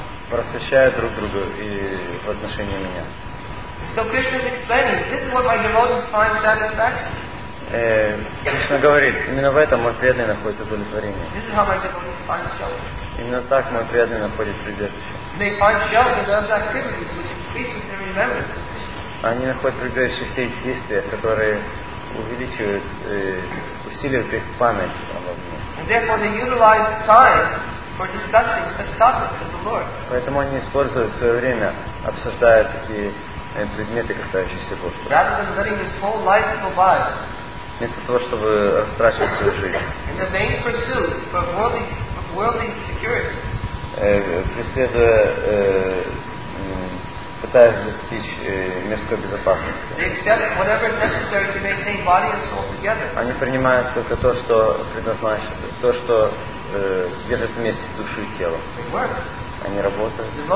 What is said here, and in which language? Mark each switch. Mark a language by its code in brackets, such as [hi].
[ru] Просвещая друг друга и в отношении меня. [en] So Krishna is explaining, this is what my devotees find satisfaction. [ru] Кришна говорит, именно в этом мой преданный находит удовлетворение. [en] This is how my devotees find shelter. [ru] Именно так мой преданный находит прибежище. [en] They find shelter in those activities which increases their remembrance of Krishna. [ru] Они находят прибежище в тех действиях, которые увеличивают, усиливают их память обо мне. [en] And therefore they utilize time for discussing such topics of the Lord. [ru] Поэтому они используют свое время, обсуждая такие предметы, касающиеся Господа. [en] Rather than letting his whole life go by. [ru] Вместо того, чтобы растрачивать свою жизнь. [en] In the vain pursuits for worldly security. [ru] Преследуя, пытаясь достичь мирской безопасности. [en] They accept whatever is necessary to maintain body and soul together. [ru] Они принимают только то, что предназначено, то, что держат вместе душу и тело. Они работают.